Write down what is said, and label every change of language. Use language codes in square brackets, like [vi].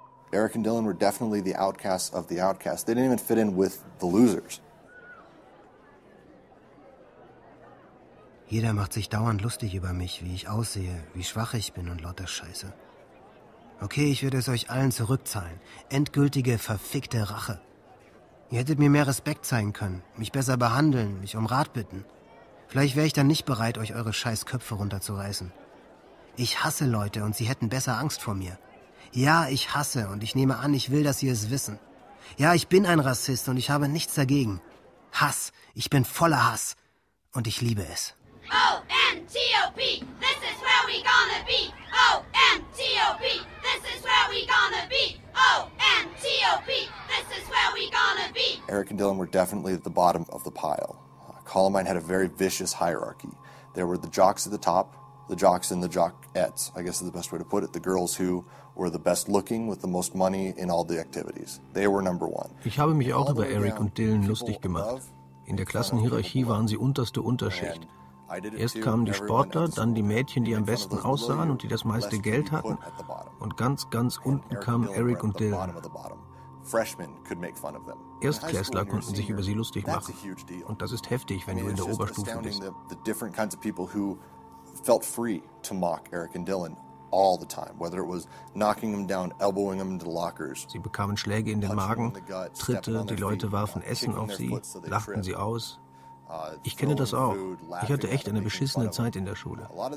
[en] Eric and Dylan were definitely the outcasts of the outcasts. They didn't even fit in with the losers. [de] Jeder macht sich dauernd lustig über mich, wie ich aussehe, wie schwach ich bin und lauter Scheiße. Okay, ich werde es euch allen zurückzahlen. Endgültige, verfickte Rache. Ihr hättet mir mehr Respekt zeigen können, mich besser behandeln, mich um Rat bitten. Vielleicht wäre ich dann nicht bereit, euch eure scheiß Köpfe runterzureißen. Ich hasse Leute und sie hätten besser Angst vor mir. Ja, ich hasse und ich nehme an, ich will, dass sie es wissen. Ja, ich bin ein Rassist und ich habe nichts dagegen. Hass, ich bin voller Hass und ich liebe es. [en] O-N-T-O-P, this is where we gonna be. O-N-T-O-P, this is where we gonna be. O-N-T-O-P. Eric and Dylan were definitely at the bottom of the pile. Columbine had a very vicious hierarchy. There were the jocks at the top, the jocks and the jockettes, I guess is the best way to put it, the girls who were the best looking with the most money in all the activities. They were number one. [de] Ich habe mich auch über Eric und Dylan lustig gemacht. In der Klassenhierarchie waren sie unterste Unterschicht. Erst kamen die Sportler, dann die Mädchen, die am besten aussahen und die das meiste Geld hatten. Und ganz, ganz unten kamen Eric und Dylan. [en] Freshmen could make fun of them. [de] Erstklässler konnten sich über sie lustig machen. Und das ist heftig, wenn du in der Oberstufe bist. [en] The different kinds of people who felt free to mock Eric and Dylan all the time, whether it was knocking them down, elbowing them into lockers. [de] Sie bekamen Schläge in den Magen, Tritte, die Leute warfen Essen auf sie, lachten sie aus. Ich kenne das auch. Ich hatte echt eine beschissene Zeit in der Schule.